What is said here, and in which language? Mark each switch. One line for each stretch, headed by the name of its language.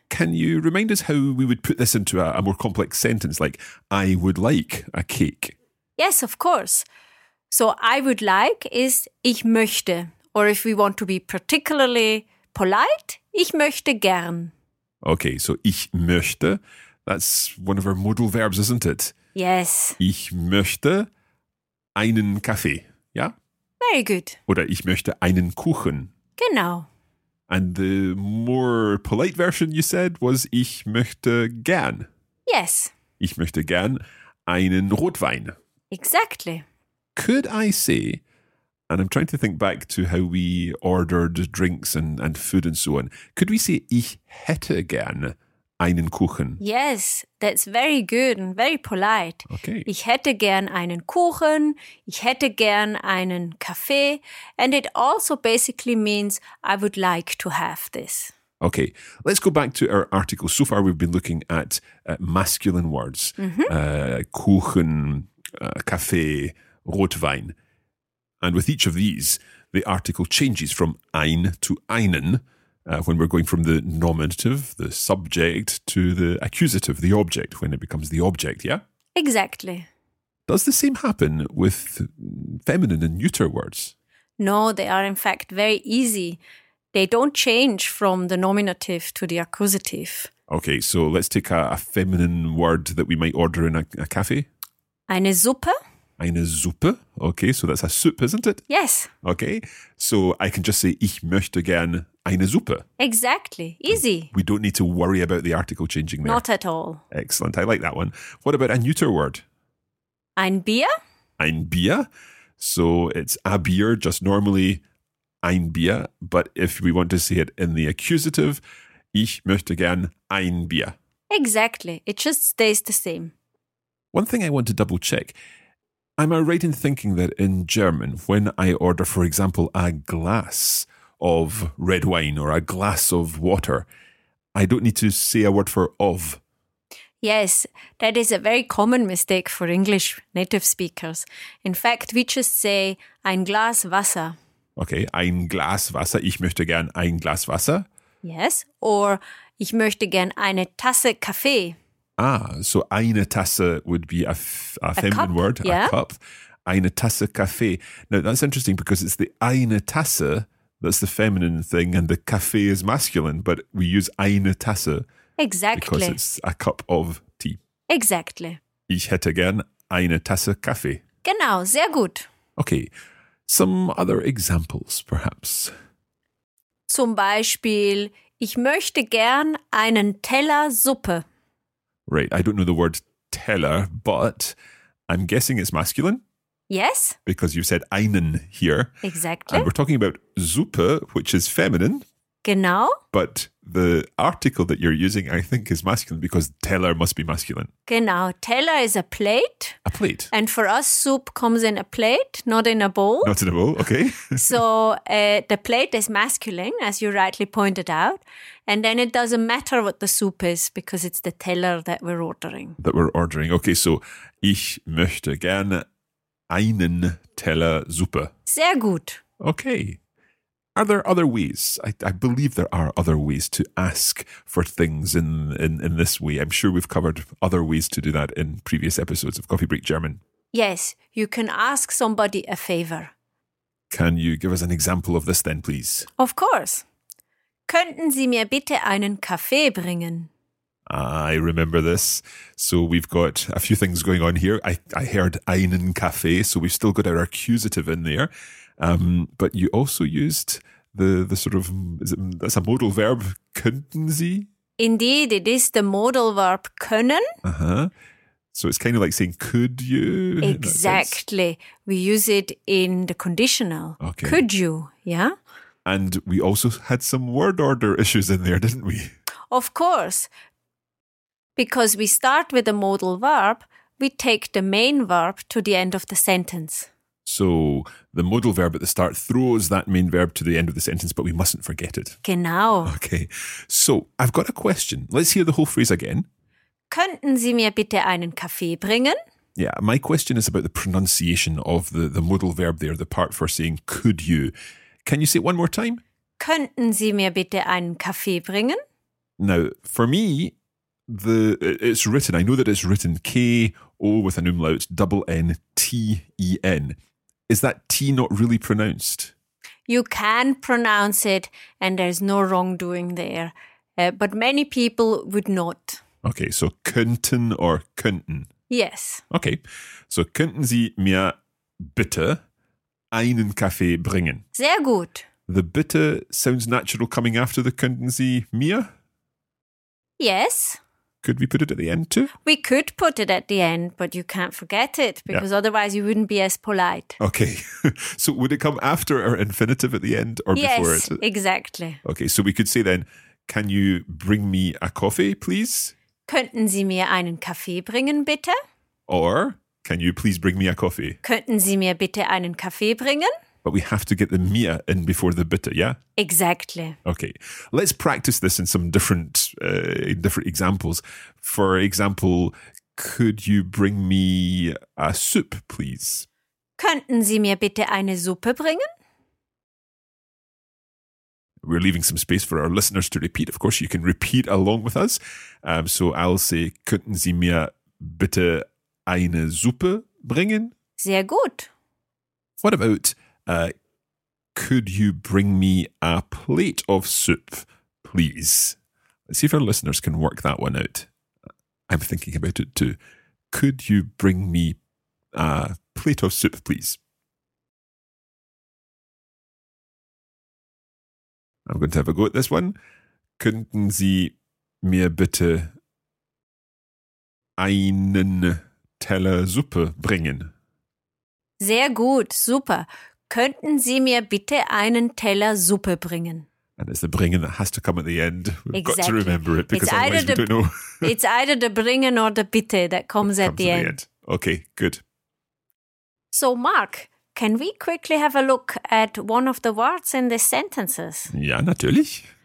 English: Can you remind us how we would put this into a more complex sentence, like, I would like a cake? Yes, of course. So I would like is
German: ich möchte.
English: Or if we want to be particularly polite,
German: ich möchte gern.
English: Okay, so
German: ich möchte,
English: that's one of our modal verbs, isn't it? Yes.
German: Ich möchte einen Kaffee, ja?
English: Very good.
German: Oder ich möchte einen Kuchen. Genau.
English: And the more polite version you said was
German: ich möchte gern.
English: Yes.
German: Ich möchte gern einen Rotwein.
English: Exactly. Could I say, and I'm trying to think back to how we ordered drinks and food and so on, could we say
German: ich hätte gern einen Kuchen?
English: Yes, that's very good and very polite. Okay.
German: Ich hätte gern einen Kuchen, ich hätte gern einen Kaffee.
English: And it also basically means I would like to have this. Okay, let's go back to our article. So far we've been looking at masculine words. Mm-hmm. Kuchen, Kaffee, Rotwein. And with each of these, the article changes from ein to einen when we're going from the nominative, the subject, to the accusative, the object, when it becomes the object, yeah? Exactly. Does the same happen with feminine and neuter words? No, they are in fact very easy. They don't change from the nominative to the accusative. Okay, so let's take a feminine word that we might order in a cafe.
German: Eine Suppe. Eine Suppe.
English: Okay, so that's a soup, isn't it? Yes. Okay, so I can just say,
German: ich möchte gern eine Suppe.
English: Exactly. Easy. We don't need to worry about the article changing there. Not at all. Excellent. I like that one. What about a neuter word?
German: Ein Bier. Ein Bier.
English: So it's a beer, just normally
German: ein Bier.
English: But if we want to say it in the accusative,
German: ich möchte gern ein Bier.
English: Exactly. It just stays the same. One thing I want to double check. Am I right in thinking that in German, when I order, for example, a glass of red wine or a glass of water, I don't need to say a word for of? Yes, that is a very common mistake for English native speakers. In fact, we just say
German: ein Glas Wasser. Okay, ein Glas Wasser. Ich möchte gern ein Glas Wasser.
English: Yes, or
German: ich möchte gern eine Tasse Kaffee.
English: Ah, so
German: eine Tasse
English: would be a feminine cup, word, yeah. A cup.
German: Eine Tasse Kaffee.
English: Now, that's interesting because it's the
German: eine Tasse
English: that's the feminine thing and the Kaffee is masculine, but we use eine Tasse. Exactly. Because it's a cup of tea. Exactly.
German: Ich hätte gern eine Tasse Kaffee. Genau, sehr gut.
English: Okay, some other examples, perhaps.
German: Zum Beispiel, ich möchte gern einen Teller Suppe.
English: Right, I don't know the word Teller, but I'm guessing it's masculine. Yes. Because you said einen here. Exactly. And we're talking about Suppe, which is feminine.
German: Genau.
English: But the article that you're using, I think, is masculine because Teller must be masculine. Genau. Teller is a plate. A plate. And for us, soup comes in a plate, not in a bowl. Not in a bowl, okay. So the plate is masculine, as you rightly pointed out. And then it doesn't matter what the soup is because it's the Teller that we're ordering. That we're ordering. Okay, so
German: ich möchte gerne einen Teller Suppe. Sehr gut.
English: Okay. Are there other ways? I believe there are other ways to ask for things in this way. I'm sure we've covered other ways to do that in previous episodes of Coffee Break German. Yes, you can ask somebody a favor. Can you give us an example of this then, please? Of course.
German: Könnten Sie mir bitte einen Kaffee bringen?
English: I remember this. So we've got a few things going on here. I heard
German: einen Kaffee,
English: so we've still got our accusative in there. But you also used the sort of, that's a modal verb,
German: könnten Sie?
English: Indeed, it is the modal verb können. Uh-huh. So it's kind of like saying, could you? Exactly. We use it in the conditional. Okay. Could you? Yeah. And we also had some word order issues in there, didn't we? Of course. Because we start with a modal verb, we take the main verb to the end of the sentence. So the modal verb at the start throws that main verb to the end of the sentence, but we mustn't forget it.
German: Genau.
English: Okay, so I've got a question. Let's hear the whole phrase again.
German: Könnten Sie mir bitte einen Kaffee bringen?
English: Yeah, my question is about the pronunciation of the modal verb there, the part for saying could you. Can you say it one more time?
German: Könnten Sie mir bitte einen Kaffee bringen?
English: Now, for me, it's written, I know that it's written K O with an umlaut, double N T E N. Is that T not really pronounced? You can pronounce it, and there's no wrongdoing there. But many people would not. Okay, so könnten or könnten? Yes. Okay, so
German: könnten Sie mir bitte einen Kaffee bringen? Sehr gut.
English: The bitte sounds natural coming after the
German: könnten Sie mir?
English: Yes. Could we put it at the end too? We could put it at the end, but you can't forget it because yeah. Otherwise you wouldn't be as polite. Okay. So would it come after our infinitive at the end or yes, before it? Yes, exactly. Okay, so we could say then, can you bring me a coffee, please?
German: Könnten Sie mir einen Kaffee bringen, bitte?
English: Or can you please bring me a coffee?
German: Könnten Sie mir bitte einen Kaffee bringen?
English: But we have to get the mir in before the bitte, yeah? Exactly. Okay. Let's practice this in some different examples. For example, could you bring me a soup, please?
German: Könnten Sie mir bitte eine Suppe bringen?
English: We're leaving some space for our listeners to repeat. Of course, you can repeat along with us. So I'll say,
German: könnten Sie mir bitte eine Suppe bringen? Sehr gut.
English: What about, could you bring me a plate of soup, please? Let's see if our listeners can work that one out. I'm thinking about it too. Could you bring me a plate of soup, please? I'm going to have a go at this one.
German: Könnten Sie mir bitte einen Teller Suppe bringen? Sehr gut, super. Könnten Sie mir bitte einen Teller Suppe bringen?
English: And it's the bringen that has to come at the end. We've got to remember it because otherwise we don't know. It's either the bringen or the bitte that comes at the end. Okay, good. So, Mark, can we quickly have a look at one of the words in the sentences?
German: Ja, natürlich.